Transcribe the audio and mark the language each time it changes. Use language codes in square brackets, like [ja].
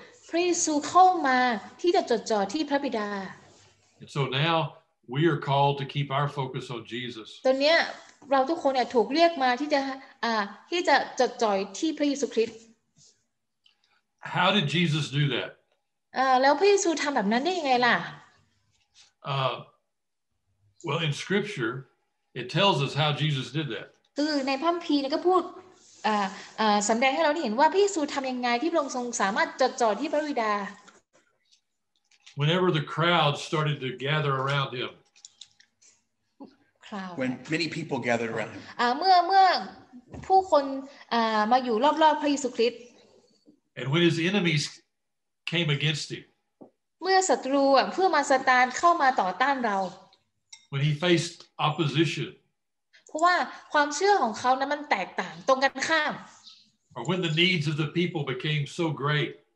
[th] พระเยซูเข้ามาที่จะจดจ่อที่พระบิดา [en] And so now We are called to keep our focus on Jesus. [th] ตอนเนี้ยเราทุกคนเนี่ยถูกเรียกมาที่จะที่จะจดจ่อยที่พระเยซูคริสต์ [en] How did Jesus do that? [th] แล้วพระเยซูทําแบบนั้นได้ยังไงล่ะ [en] Well in scripture it tells us how Jesus did that. [th] คือในพระคัมภีร์เนี่ยก็พูดสําแดงให้เราได้เห็นว่าพระเยซูทํายังไงที่พระองค์ทรงสามารถจดจ่อยที่พระบิดา [en] Whenever the crowd started to gather around him. Crowd. When many people gathered around him. [th] เมื่อผู้คนมาอยู่รอบๆพระเยซูคริสต์ [en] And when his enemies came against him. [th] เมื่อศัตรูเพื่อมาซาตานเข้ามาต่อต้านเรา [en] When he faced opposition. [th] เพราะว่าความเชื่อของเขานั้นมันแตกต่างตรงกันข้าม [en] Or when the needs of the people became so great.